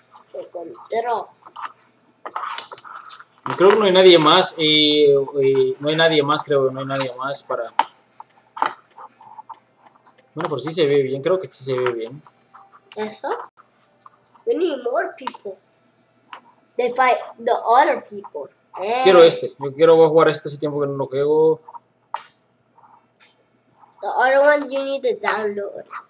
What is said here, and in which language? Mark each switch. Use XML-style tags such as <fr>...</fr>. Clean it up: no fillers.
<es>Te encontró. Creo que no hay nadie más, no hay nadie más, creo que no hay nadie más para... Bueno, pero sí se ve bien, creo que sí se ve bien. ¿Eso?</es> <en>We need more people. They fight the other people.</en> <es>Quiero este, yo quiero, voy a jugar este hace tiempo que no lo juego.</es> <en>The other one you need to download.</en>